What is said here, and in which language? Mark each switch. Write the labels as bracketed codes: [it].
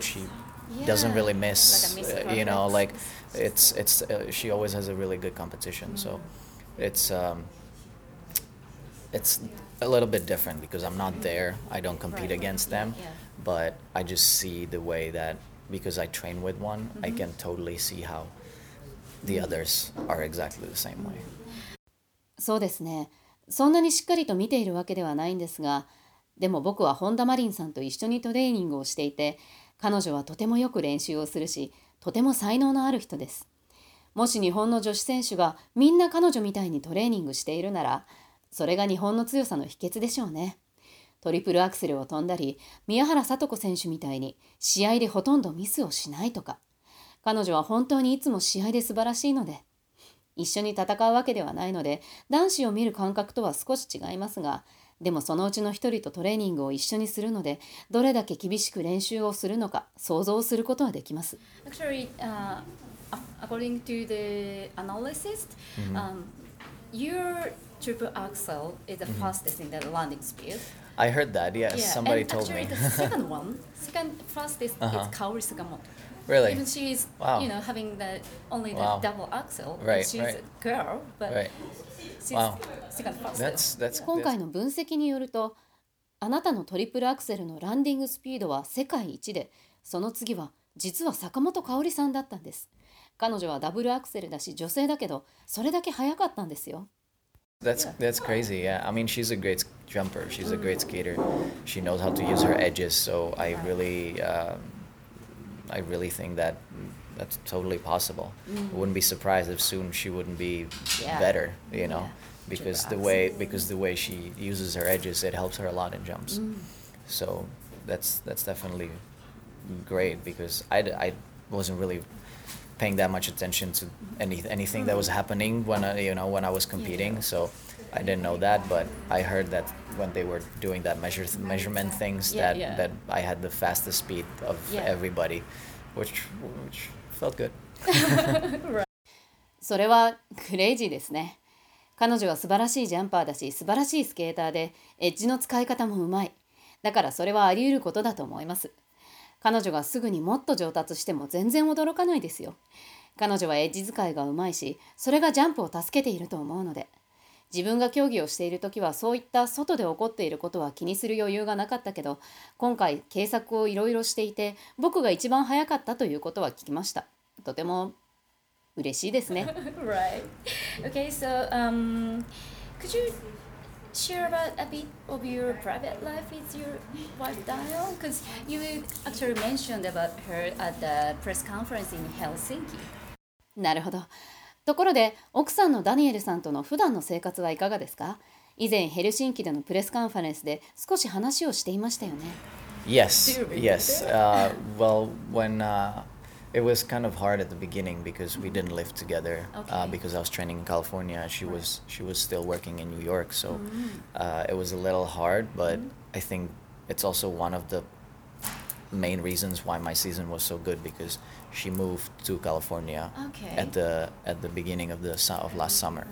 [en] She doesn't really miss, you know, like it's she always has a really good competition. So it's it's a little bit different because I'm not there. I don't compete against them. But I just see the way that because I train with one, I can totally see how the others are exactly the same way. [ja] そうですね。そんなにしっかりと見ているわけではないんですが、でも僕は本田真凜さんと一緒にトレーニングをしていて、彼女はとてもよく練習をするし、とても才能のある人です。もし日本の女子選手がみんな彼女みたいにトレーニングしているなら、それが日本の強さの秘訣でしょうね。トリプルアクセルを飛んだり、宮原さと子選手みたいに試合でほとんどミスをしないとか。彼女は本当にいつも試合で素晴らしいので。一緒に戦うわけではないので、男子を見る感覚とは少し違いますが、でもそのうちの一人とトレーニングを一緒にするので、どれだけ厳しく練習をするのか想像することはできます。 [en] Actually, according to the analysis, your triple axel is the fastest in the landing speed. I heard that. Yes, somebody told me. And actually, the second one, fastest is Kaori Sugamoto. Really? Even she is, you know, having the only the double axel. Right. She's a girl, but. That's [ja] 今回の分析によるとあなたのトリプルアクセルのランディングスピードは世界一でその次は実は坂本香織さんだったんです彼女はダブルアクセルだし女性だけどそれだけ早かったんですよ [en] That's crazy, yeah. I mean, she's a great jumper. She's a great skater. She knows how to use her edges. So I really think that that's totally possible. I wouldn't be surprised if soon she wouldn't be better, you know, because the way she uses her edges, it helps her a lot in jumps. So that's definitely great because I wasn't really paying that much attention to anything that was happening when I, you know, when I was competing. So I didn't know that, but I heard that when they were doing that measurement things that I had the fastest speed of everybody, which felt good. [ja] それはクレイジーですね。彼女は素晴らしいジャンパーだし、素晴らしいスケーターで、エッジの使い方もうまい。だからそれはあり得ることだと思います。彼女がすぐにもっと上達しても全然驚かないですよ。彼女はエッジ使いがうまいし、それがジャンプを助けていると思うので。自分が競技をしているときは、そういった外で起こっていることは気にする余裕がなかったけど、今回、計測をいろいろしていて、僕が一番早かったということは聞きました。とても嬉しいですね。 [en] Right. Okay, so, could you share about a bit of your private life with your wife, Daniel? Because you actually mentioned about her at the press conference in Helsinki. [ja] なるほど。ところで、奥さんのダニエルさんとの普段の生活はいかがですか？以前、ヘルシンキでのプレスカンファレンスで少し話をしていましたよね。 [en] Yes, yes. Well, when it was kind of hard at the beginning because we didn't live together because I was training in California. She was still working in New York, so it was a little hard, but I think it's also one of the main reasons why my season was so good because she moved to California at the beginning of the of last summer.